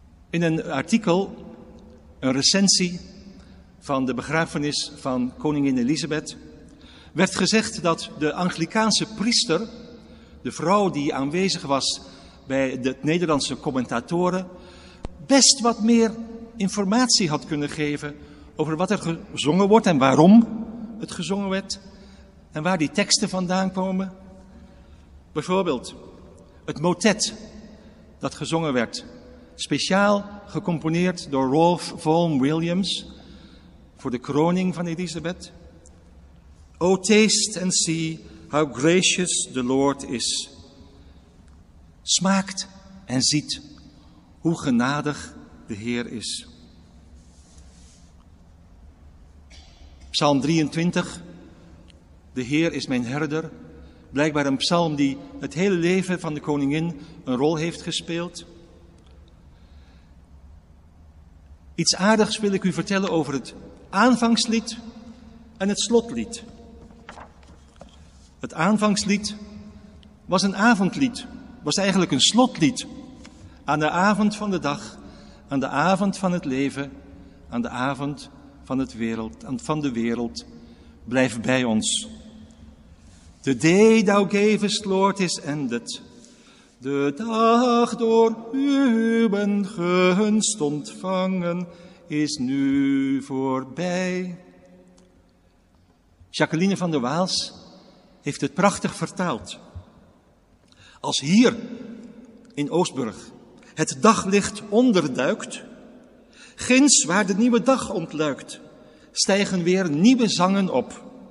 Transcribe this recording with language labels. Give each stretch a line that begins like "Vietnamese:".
Dutch: In een artikel, een recensie van de begrafenis van koningin Elisabeth, werd gezegd dat de Anglicaanse priester, de vrouw die aanwezig was bij de Nederlandse commentatoren, best wat meer informatie had kunnen geven over wat er gezongen wordt en waarom het gezongen werd en waar die teksten vandaan komen. Bijvoorbeeld het motet dat gezongen werd, speciaal gecomponeerd door Rolf Vaughan Williams voor de kroning van Elisabeth.
English: O taste and see how gracious the Lord is.
Dutch: Smaakt en ziet hoe genadig de Heer is. Psalm 23. De Heer is mijn herder. Blijkbaar een psalm die het hele leven van de koningin een rol heeft gespeeld. Iets aardigs wil ik u vertellen over het aanvangslied en het slotlied. Het aanvangslied was een avondlied, was eigenlijk een slotlied. Aan de avond van de dag, aan de avond van het leven, aan de avond van het wereld, van de wereld, blijf bij ons.
English: The day thou gavest, Lord, is ended.
Dutch: De dag door uwen gunst ontvangen is nu voorbij. Jacqueline van der Waals heeft het prachtig vertaald. Als hier in Oostburg het daglicht onderduikt, ginds waar de nieuwe dag ontluikt, stijgen weer nieuwe zangen op.